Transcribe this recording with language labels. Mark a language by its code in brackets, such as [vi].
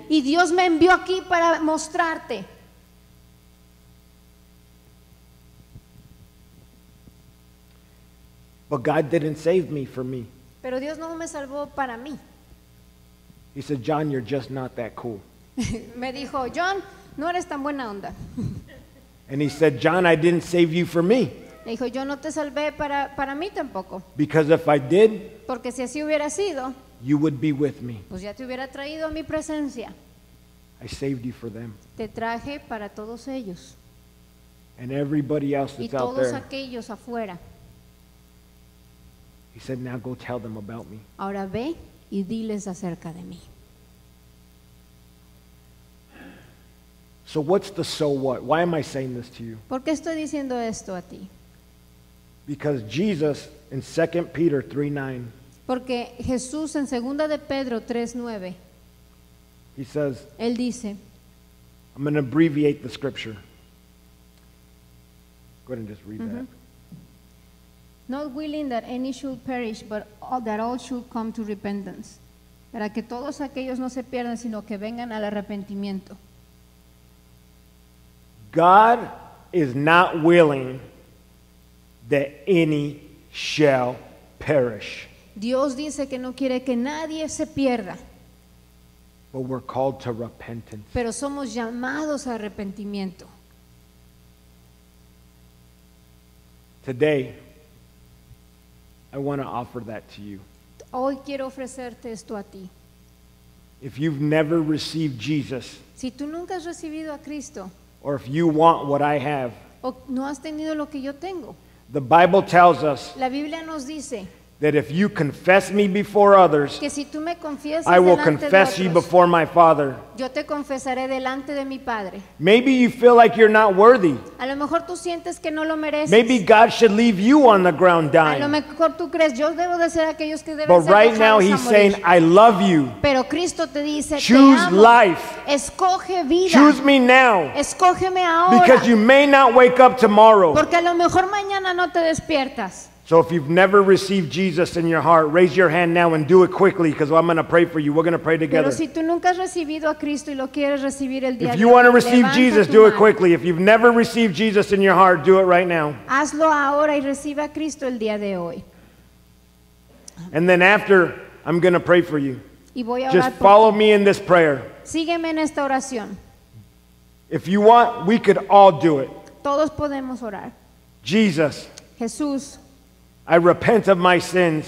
[es] Y Dios me envió aquí para mostrarte. [en] But God didn't save me for me. [es] Pero Dios no me salvó para mí. [en] He said, John, you're just not that cool. [es] Me dijo, John, no eres tan buena onda. [en] And he said, John, I didn't save you for me. [es] Me dijo, yo no te salvé para mí tampoco. [en] Because if I did, [es] porque si así hubiera sido, [en] you would be with me. [es] Pues ya te hubiera traído a mi presencia. [en] I saved you for them. [es] Te traje para todos ellos. [en] And everybody else that's [es] y todos [en] out there. [es] Aquellos afuera. [en] He said, now go tell them about me. [es] Ahora ve y diles acerca de mí. [en] So what's the so what? Why am I saying this to you? [es] ¿Por qué estoy diciendo esto a ti? [en] Because Jesus in 2 Peter 3:9. [es] Porque Jesús en 2 Pedro 3:9. [en] He says, [es] él dice, [en] I'm going to abbreviate the scripture. Go ahead and just read that. Not willing that any should perish, but all, that all should come to repentance. [es] Para que todos aquellos no se pierdan, sino que vengan al arrepentimiento. [en] God is not willing that any shall perish. [es] Dios dice que no quiere que nadie se pierda. [en] But we're called to repentance. [es] Pero somos llamados a arrepentimiento. [en] Today, I want to offer that to you. [es] Hoy quiero ofrecerte esto a ti. [en] If you've never received Jesus, [es] si tú nunca has recibido a Cristo, [en] or if you want what I have, [es] o no has tenido lo que yo tengo, [en] the Bible tells us, [es] la Biblia nos dice, [en] that if you confess me before others, [es] que si tú me confiesas, [en] I will confess you before my Father. [es] Yo te confesaré delante de mi padre. [en] Maybe you feel like you're not worthy. [es] A lo mejor tú sientes que no lo mereces. [en] Maybe God should leave you on the ground dying. [es] A lo mejor tú crees, yo debo de ser aquellos que deben [en] but right now he's saying, I love you. [es] Pero Cristo te dice, [en] choose [es] te amo. [en] Life. [es] Escoge vida. [en] Choose me now. [es] Escógeme ahora. [en] Because you may not wake up tomorrow. [es] Porque a lo mejor mañana no te despiertas. [en] So if you've never received Jesus in your heart, raise your hand now and do it quickly because I'm going to pray for you. We're going to pray together. [es] Pero si tú nunca has recibido a Cristo y lo quieres recibir el día [en] if you [es] de [en] want to receive Jesus, do it quickly. If you've never received Jesus in your heart, do it right now. [es] Hazlo ahora y recibe a Cristo el día de hoy. [en] And then after, I'm going to pray for you. [es] Y voy a orar [en] just follow [es] por [en] me in this prayer. [es] Sígueme en esta oración. [en] If you want, we could all do it. [es] Todos podemos orar. [en] Jesus. [es] Jesús. [en] I repent of my sins.